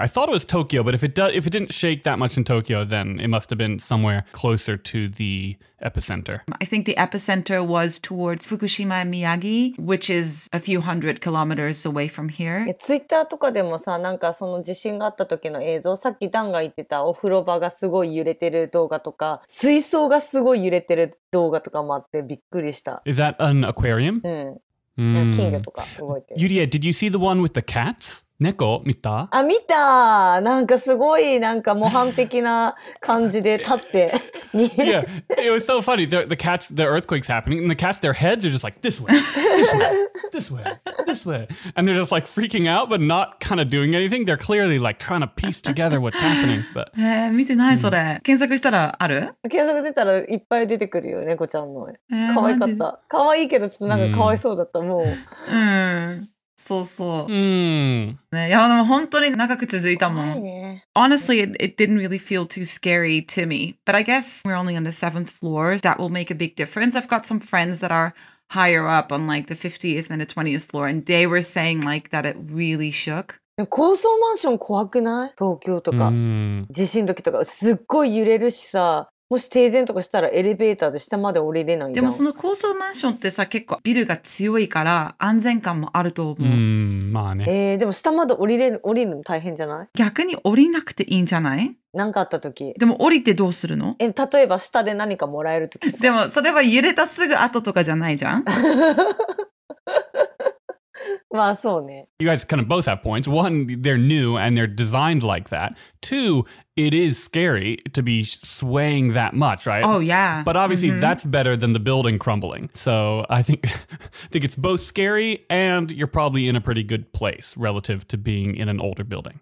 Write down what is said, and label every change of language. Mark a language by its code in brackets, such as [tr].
[en] I thought it was Tokyo, but if it didn't shake that much in Tokyo, then it must have been somewhere closer to the epicenter. I think the epicenter was towards Fukushima and Miyagi, which is a few hundred kilometers away from here. [ja] Twitter とかでもさ、なんかその地震があった時の映像、さっきダンが言ってたお風呂場がすごい揺れてる動画とか、水槽がすごい揺れてる動画とかもあってびっくりした。 [en] Is that an aquarium? Yuria, did you see the one with the cats? [ja] Neko, 見た? あ、見た! なんかすごい、なんか模範的な感じで立って。 [en] Yeah, it was so funny. The cats, the earthquake's happening, and the cats, their heads are just like, this way, this way, this way, this way. And they're just like freaking out, but not kind of doing anything. They're clearly like trying to piece together what's happening. But... [ja] 見てないそれ。検索したらある? 検索出たらいっぱい出てくるよ、猫ちゃんの。かわいかった。かわいいけど、ちょっとなんかかわいそうだった、もう。そうそう。ね、いやでも本当に長く続いたもん。怖いね。 [en] Honestly, it didn't really feel too scary to me. But I guess we're only on the 7th floor. That will make a big difference. I've got some friends that are higher up on like the 50th and the 20th floor. And they were saying like that it really shook. [ja] 高層マンション怖くない?東京とか。地震時とか。すっごい揺れるしさ。もし停電とかしたらエレベーターで下まで降りれないじゃん。でもその高層マンションってさ、結構ビルが強いから安全感もあると思う。うーん、まあね。でも下まで降りるの大変じゃない？逆に降りなくていいんじゃない？なんかあった時。でも降りてどうするの？例えば下で何かもらえる時。でもそれは揺れたすぐ後とかじゃないじゃん。 [en] You guys kind of both have points. One, they're new and they're designed like that. Two, it is scary to be swaying that much, right? Oh, yeah. But obviously, mm-hmm. that's better than the building crumbling. So I think it's both scary and you're probably in a pretty good place relative to being in an older building.